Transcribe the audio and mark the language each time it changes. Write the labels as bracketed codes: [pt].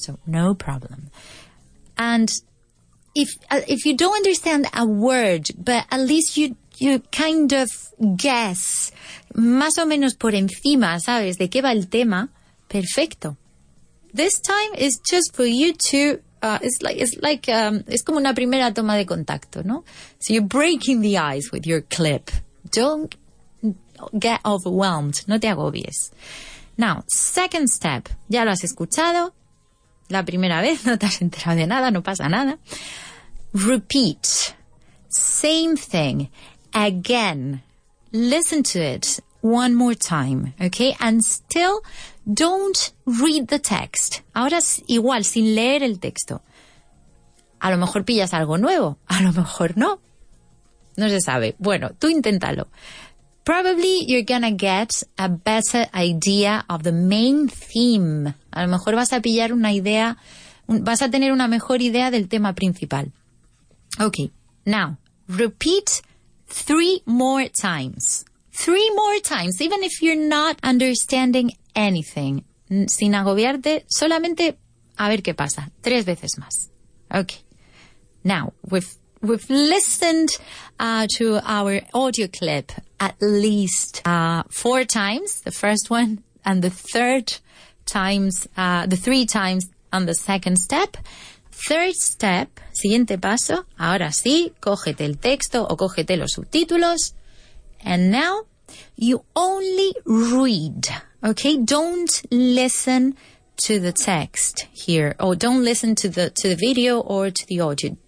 [en] So, no problem. And if you don't understand a word, but at least you kind of guess, [es] más o menos por encima, ¿sabes? ¿De qué va el tema? Perfecto. [en] This time is just for you to... [es] es como una primera toma de contacto, ¿no? [en] So you're breaking the ice with your clip. Don't get overwhelmed. [es] No te agobies. [en] Now, second step. [es] Ya lo has escuchado. La primera vez no te has enterado de nada. No pasa nada. [en] Repeat. Same thing. Again. Listen to it one more time. Okay? And still... Don't read the text. [es] Ahora es igual, sin leer el texto. A lo mejor pillas algo nuevo. A lo mejor no. No se sabe. Bueno, tú inténtalo. [en] Probably you're gonna get a better idea of the main theme. [es] A lo mejor vas a pillar una idea, vas a tener una mejor idea del tema principal. [en] Okay, now, repeat 3 more times. 3 more times, even if you're not understanding anything. [es] Sin agobiarte, solamente a ver qué pasa. 3 veces más. Okay. [en] Now, we've listened to our audio clip at least 4 times, the first one, and the third times, the 3 times on the second step. Third step, [es] siguiente paso, ahora sí, cógete el texto o cógete los subtítulos. [en] And now, you only read. Okay, don't listen to the text here, or don't listen to the video or to the audio.